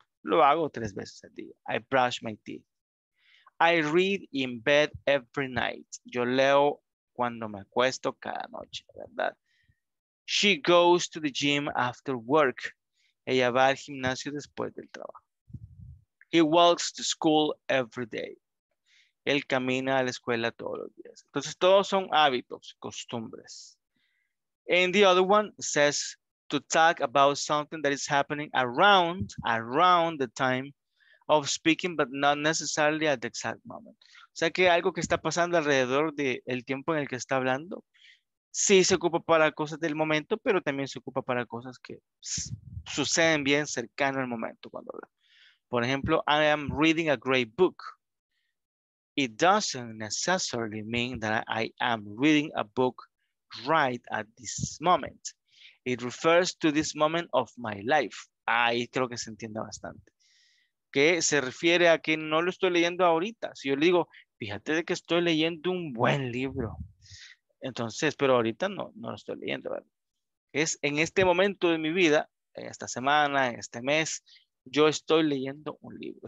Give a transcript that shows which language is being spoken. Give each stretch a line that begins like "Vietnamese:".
Spanish: Lo hago 3 veces al día.
English: I brush my teeth. I read in bed every night.
Spanish: Yo leo cuando me acuesto cada noche, ¿verdad?
English: She goes to the gym after work.
Spanish: Ella va al gimnasio después del trabajo.
English: He walks to school every day.
Spanish: Él camina a la escuela todos los días. Entonces, todos son hábitos, costumbres.
English: And the other one says to talk about something that is happening around the time of speaking, but not necessarily at the exact moment.
Spanish: O sea, que algo que está pasando alrededor del tiempo en el que está hablando, sí se ocupa para cosas del momento, pero también se ocupa para cosas que suceden bien cercano al momento cuando habla. Por ejemplo,
English: I am reading a great book. It doesn't necessarily mean that I am reading a book right at this moment. It refers to this moment of my life.
Spanish: Ahí creo que se entiende bastante. Que se refiere a que no lo estoy leyendo ahorita. Si yo le digo, fíjate de que estoy leyendo un buen libro. Entonces, pero ahorita no lo estoy leyendo, ¿verdad? Es en este momento de mi vida, en esta semana, en este mes, yo estoy leyendo un libro.